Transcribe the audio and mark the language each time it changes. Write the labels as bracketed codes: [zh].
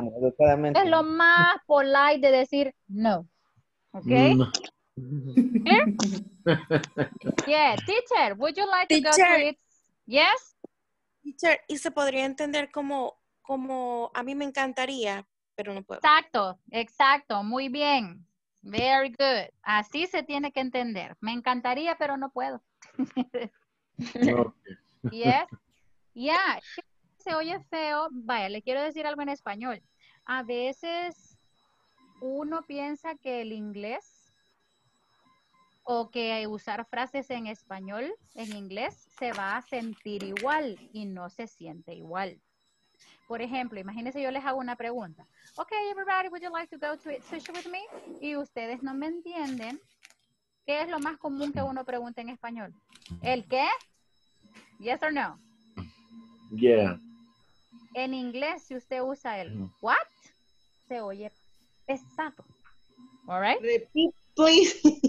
[es] No, es lo más polite de decir no. [en] Okay? No. Yeah, teacher, would you like teacher. To go to eat... Yes? [es] Teacher, y se podría entender como a mí me encantaría, pero no puedo. Exacto, muy bien. [en] Very good. [es] Así se tiene que entender. Me encantaría, pero no puedo. [en] Okay. Yes. Yeah. [es] Se oye feo. Vaya, le quiero decir algo en español. A veces uno piensa que el inglés o que usar frases en español, en inglés, se va a sentir igual y no se siente igual. Por ejemplo, imagínense, yo les hago una pregunta. [en] Okay, everybody, would you like to go to eat sushi with me? [es] Y ustedes no me entienden. ¿Qué es lo más común que uno pregunta en español? ¿El qué? [en] Yes or no? Yeah. [es] En inglés, si usted usa el what, se oye pesado. [en] All right? Repeat. Please.